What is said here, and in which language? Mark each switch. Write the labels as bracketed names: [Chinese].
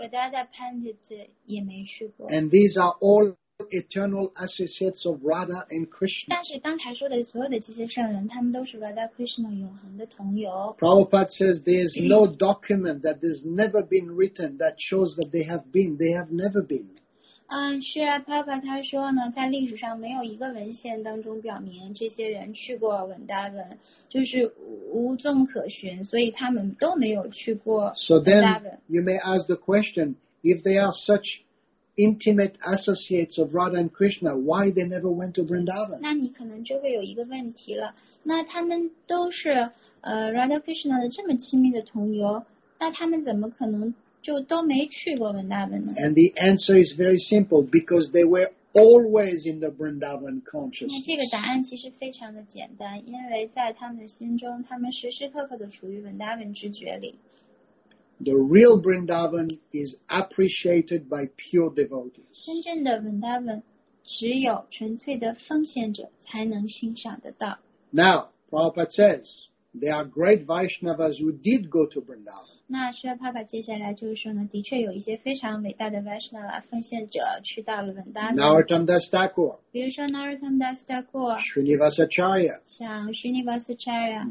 [Chinese] Gadadhar Pandit 也没去过。 [English] And these are all. Eternal associates of Radha and Krishna. [Chinese] 但是刚才说的所有的这些圣人，他们都是 Radha Krishna 永恒的同游。 [English] Prabhupada says there is no document that has never been written that shows that they have been. They have never been. [Chinese] 是啊 ，Prabhupada 他说呢，在历史上没有一个文献当中表明这些人去过文达文，就是无踪可寻，所以他们都没有去过文达文。 [English] So then you may ask the question: if they are such intimate associates of Radha and Krishna, why they never went to Vrindavan? [Chinese] 那你可能就会有一个问题了。那他们都是Radha Krishna 的这么亲密的同游，那他们怎么可能就都没去过 Vrindavan 呢？ [English] And the answer is very simple, because they were always in the Vrindavan consciousness. [Chinese] 那这个答案其实非常的简单，因为在他们的心中，他们时时刻刻都处于 Vrindavan 之觉里。 [English] The real Vrindavan is appreciated by pure devotees. [Chinese] 真正的 Vrindavan 只有纯粹的奉献者才能欣赏得到。 [English] Now, Prabhupada says, there are great Vaishnavas who did go to Vrindavan. [Chinese] 那Srila Prabhupada接下来就是说呢，的确有一些非常伟大的 Vaishnava 奉献者去到了 Vrindavan. [English] Narottam Das Thakur. [Chinese] 比如说 Narottam Das Thakur. [English] Srinivas Acharya. [Chinese] 像 Srinivas Acharya.